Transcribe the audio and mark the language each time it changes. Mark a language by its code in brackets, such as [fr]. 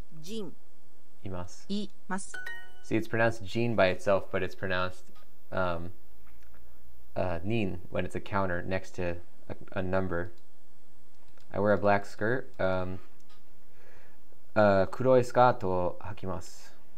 [ja] 彼はお兄さんが3人います。 [en] See, it's pronounced jin by itself, but it's pronounced nin when it's a counter next to a number. I wear a black skirt. [ja] 黒いスカートを履きます。